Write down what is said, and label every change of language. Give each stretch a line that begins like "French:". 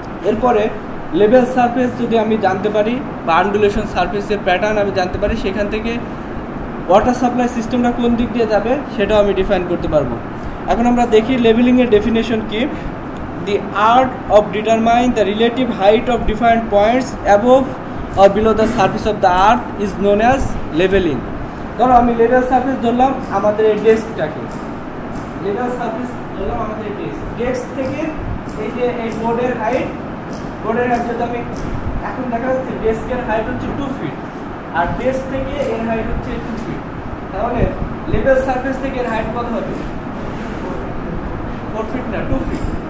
Bangla: এরপরে level surface যদি আমি জানতে পারি বা আন্ডুলেশন সার্ফেসের প্যাটার্ন আমি জানতে পারি সেখান থেকে ওয়াটার সাপ্লাই সিস্টেমটা কোন দিক দিয়ে যাবে সেটাও আমি ডিফাইন করতে পারবো এখন আমরা দেখি লেভেলিংয়ের ডেফিনেশন কি
English: The art of determine the relative height of different points above or below the surface of the earth is known as leveling.
Bangla: ধরো আমি লেভেল সার্ফেস ধরলাম আমাদের এই ডেস্কটাকে, লেভেল সার্ফেস ধরলাম আমাদের এই ডেস্ক, ডেস্ক থেকে এই যে এই বোর্ডের হাইট, বোর্ডের হাইট যদি আমি এখন দেখা যাচ্ছে ডেস্কের হাইট হচ্ছে 2 ফিট আর ডেস্ক থেকে এর হাইট হচ্ছে 2 ফিট, তাহলে লেভেল সার্ফেস থেকে এর হাইট কত হবে? 4 ফিট না, 2 ফিট।